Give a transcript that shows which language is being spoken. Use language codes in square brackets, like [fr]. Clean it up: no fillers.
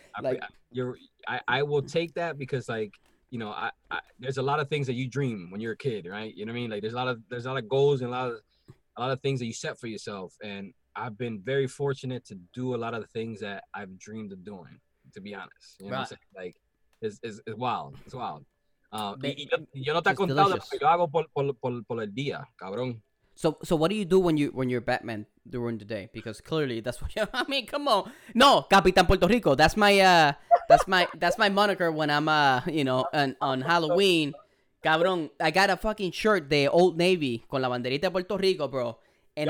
[en] I will take that because, like, you know, I there's a lot of things that you dream when you're a kid, right? You know what I mean? Like, there's a lot of goals and a lot of things that you set for yourself. And I've been very fortunate to do a lot of the things that I've dreamed of doing, to be honest. You know right. what I'm saying? Like, it's wild. It's wild. [es] Yo no te he contado lo que yo hago por el día, cabrón. [en] So what do you do when you're Batman during the day? Because clearly that's what you, I mean. Come on, no, Capitán Puerto Rico. That's my moniker when I'm you know, on Halloween. Cabrón, I got a fucking shirt de Old Navy con la banderita de Puerto Rico, bro. And